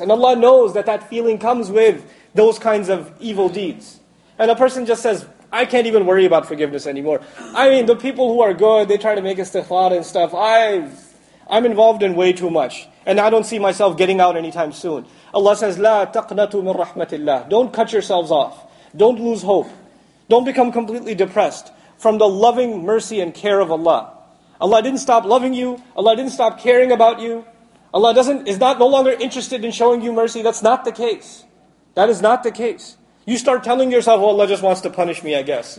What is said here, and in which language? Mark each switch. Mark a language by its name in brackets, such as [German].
[English] And Allah knows that that feeling comes with those kinds of evil deeds. And a person just says, I can't even worry about forgiveness anymore. I mean, the people who are good, they try to make istighfar and stuff. I'm involved in way too much. And I don't see myself getting out anytime soon. Allah says, [Arabic] لَا تَقْنَتُوا مِنْ رَحْمَةِ اللَّهِ. [English] Don't cut yourselves off. Don't lose hope. Don't become completely depressed from the loving mercy and care of Allah. Allah didn't stop loving you. Allah didn't stop caring about you. Allah is no longer interested in showing you mercy. That's not the case. That is not the case. You start telling yourself, oh, Allah just wants to punish me, I guess.